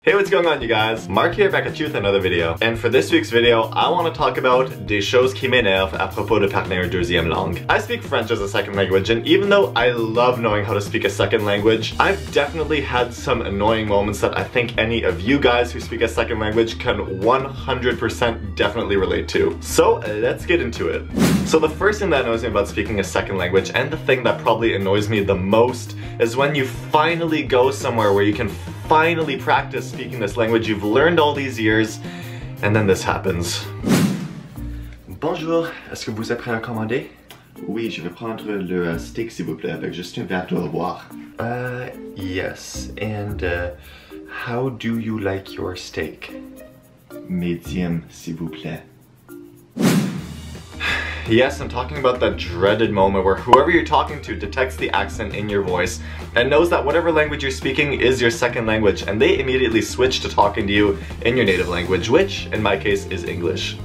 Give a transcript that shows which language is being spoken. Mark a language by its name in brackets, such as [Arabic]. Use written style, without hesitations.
[English] Hey, what's going on, you guys? Mark here, back at you with another video. And for this week's video, I want to talk about [French] des choses qui m'énervent à propos de parler une deuxième langue. [English] I speak French as a second language, and even though I love knowing how to speak a second language, I've definitely had some annoying moments that I think any of you guys who speak a second language can 100% definitely relate to. So, let's get into it. So the first thing that annoys me about speaking a second language, and the thing that probably annoys me the most, is when you finally go somewhere where you can finally practice speaking this language you've learned all these years, and then this happens. [French] Bonjour, est-ce que vous êtes prêt à commander? Oui, je vais prendre le steak, s'il vous plaît, avec juste un verre d'eau à boire. [English] Yes, and how do you like your steak? [French] Medium, s'il vous plaît. [English] Yes, I'm talking about that dreaded moment where whoever you're talking to detects the accent in your voice and knows that whatever language you're speaking is your second language, and they immediately switch to talking to you in your native language, which, in my case, is English.